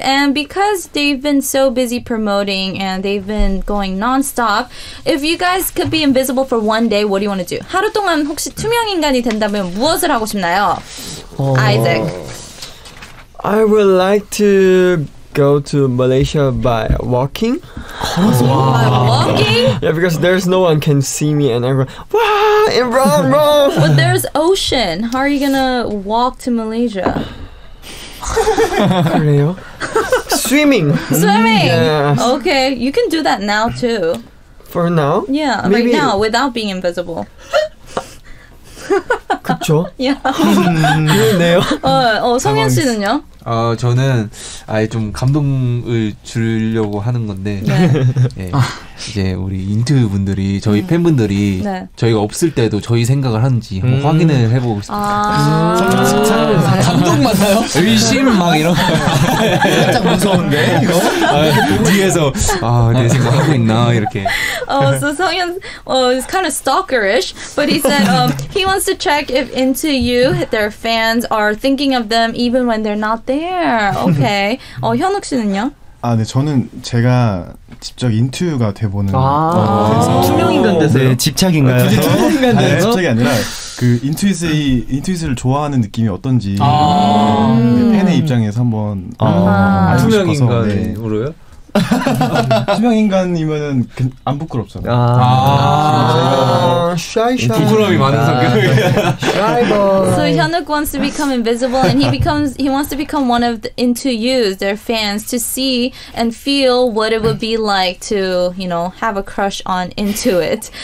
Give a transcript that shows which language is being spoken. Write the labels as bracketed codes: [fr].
[en] And because they've been so busy promoting and they've been going non-stop, if you guys could be invisible for one day, what do you want to do? [ko] 하루 동안 혹시 투명 인간이 된다면 무엇을 하고 싶나요? [en] Isaac. I would like to go to Malaysia by walking. By walking? Yeah, because there's no one can see me and everyone. And wrong. But there's ocean. How are you gonna walk to Malaysia? [ko] 그래요? [en] Swimming. Swimming. Yes. Okay, you can do that now too. For now? Yeah, maybe. Right now without being invisible. [ko] 그렇죠? [en] Yeah. [ko] 그렇네요. 성현 씨는요? 저는 아예 좀 감동을 주려고 하는 건데 네. 네. 이제 우리 인투 분들이 저희 팬분들이 네. 저희가 없을 때도 저희 생각을 하는지 한번 확인을 해보고 싶습니다. 감동 맞아요? 의심 막 이런 살짝 무서운데 이거 뒤에서 내 생각 하고 있나 이렇게. [en] So 성현 is kind of stalkerish, but he said he wants to check if Into You their fans are thinking of them even when they're not there. [ko] Okay. 현욱 씨는요? 아, 네. 저는 제가 직접 인투유가 돼보는 투명인간 되세요? 네, 집착인가요? 투명인간 되세요? 집착이 아니라 그 인투잇을 좋아하는 느낌이 어떤지 팬의 입장에서 한번 투명인간으로요? 투명인간이면은 안 부끄럽잖아요. 샤이. 부끄러움이 많은 성격. 샤이버. [en] So Hyunwook wants to become invisible, and he wants to become one of the Into You's their fans to see and feel what it would be like to, you know, have a crush on Into It.